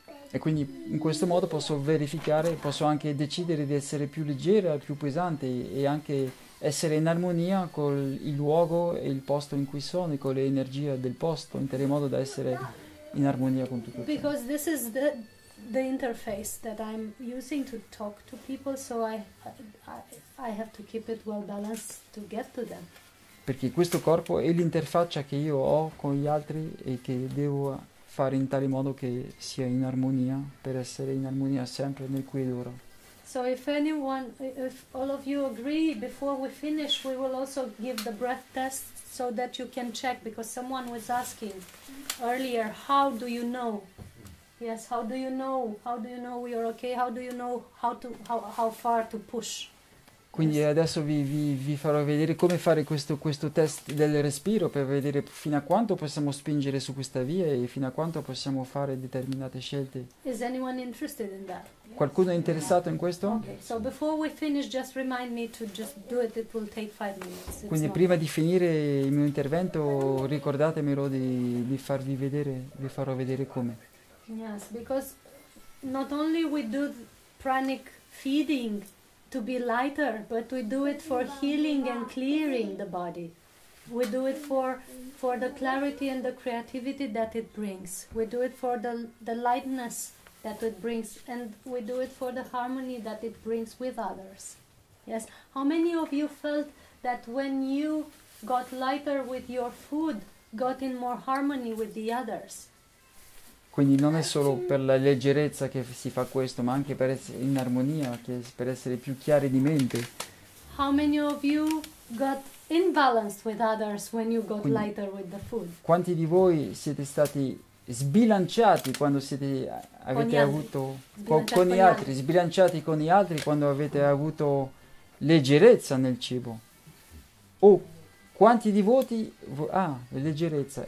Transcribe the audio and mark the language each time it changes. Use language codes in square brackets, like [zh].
[it] E quindi in questo modo posso verificare, posso anche decidere di essere più leggera, più pesante e anche essere in armonia con il luogo e il posto in cui sono e con le energie del posto, in tale modo da essere in armonia con tutto ciò. [en] Because this is the interface that I'm using to talk to people, so I have to keep it well balanced to get to them. [it] Perché questo corpo è l'interfaccia che io ho con gli altri e che devo fare in tale modo che sia in armonia, per essere in armonia sempre nel qui ed ora. [en] So if anyone, if all of you agree, before we finish, we will also give the breath test so that you can check, because someone was asking earlier, how do you know? Yes, how do you know? How do you know we are okay? How do you know how far to push? [it] Quindi adesso vi farò vedere come fare questo test del respiro per vedere fino a quanto possiamo spingere su questa via e fino a quanto possiamo fare determinate scelte. [en] Is anyone interested in that? [it] Qualcuno è interessato in questo? [en] Okay. So before we finish, just remind me to just do it. It will take 5 minutes. It's [it] Quindi prima di finire il mio intervento ricordatemelo di farvi vedere, vi farò vedere come. [en] Yes, because not only we do pranic feeding to be lighter, but we do it for healing and clearing the body. We do it for the clarity and the creativity that it brings. We do it for the lightness that it brings, and we do it for the harmony that it brings with others. Yes. How many of you felt that when you got lighter with your food, got in more harmony with the others? [it] Quindi non è solo per la leggerezza che si fa questo, ma anche per essere in armonia, che per essere più chiari di mente. [en] How many of you got imbalanced with others when you got lighter with the food? [it] Quanti di voi siete stati sbilanciati quando siete avete con avuto con gli altri, sbilanciati con gli altri quando avete avuto leggerezza nel cibo? O quanti di voi leggerezza?